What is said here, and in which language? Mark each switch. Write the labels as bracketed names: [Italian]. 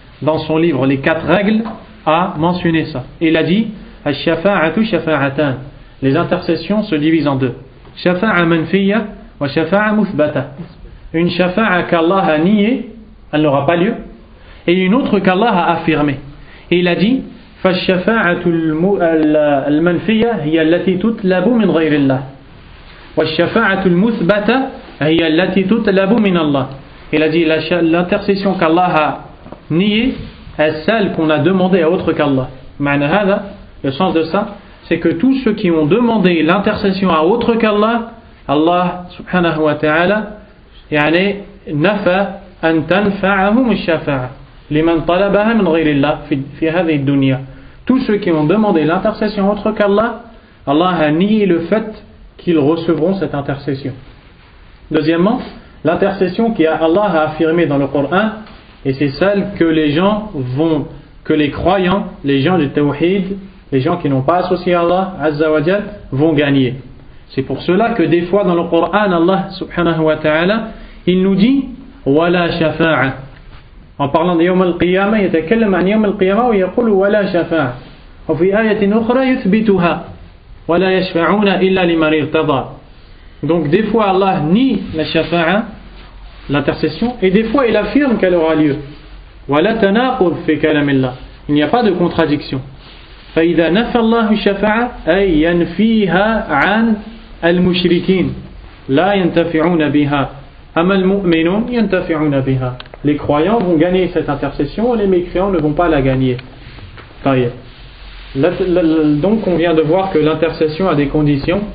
[French] Dans son livre Les quatre règles, a mentionné ça. Il a dit [Arabic] ash-shafa'atu shafa'atan. [French] Les intercessions se divisent en deux. [Arabic] Shafa'a manfiya wa shafa'a muthbata. [French] Une shafa'a qu'Allah a niée, elle n'aura pas lieu, et une autre qu'Allah a affirmée. Et il a dit [Arabic] فالشفاعة المنفية هي التي تطلب من غير الله والشفاعة المثبتة هي التي تطلب من الله. [French] Il a dit l'intercession qu'Allah a niée est celle qu'on a demandé à autre qu'Allah. [Arabic] معنى هذا, [French] le sens de ça, c'est que tous ceux qui ont demandé l'intercession à autre qu'Allah, Allah subhanahu wa ta'ala [Arabic] يعني نفى أن تنفعهم الشفاعة لمن طلبها من غير الله في هذه الدنيا. [French] Tous ceux qui ont demandé l'intercession autre qu'Allah, Allah a nié le fait qu'ils recevront cette intercession. Deuxièmement, l'intercession qu'Allah a affirmée dans le Coran, et c'est celle que les gens vont, que les croyants, les gens du tawhid, les gens qui n'ont pas associé Allah Azza wa Jal, vont gagner. C'est pour cela que des fois dans le Coran, Allah subhanahu wa ta'ala, il nous dit [Arabic] wala shafa'a. [French] En parlant de Yom al-Qiyama, il [Arabic] يتكلم عن يوم القيامة ويقول ولا شفاعة. وفي آية أخرى يثبتها ولا يشفعون إلا لمن ارتضى. [French] Donc des fois Allah nie la shafa'a, l'intercession, et des fois il affirme qu'elle aura lieu. [Arabic] ولا تناقض في كلام الله. [French] Il n'y a pas de contradiction. [Arabic] فإذا نفى الله الشفاعة أي ينفيها عن المشركين لا ينتفعون بها أما المؤمنون ينتفعون بها. [French] Les croyants vont gagner cette intercession, les mécréants ne vont pas la gagner. Donc on vient de voir que l'intercession a des conditions.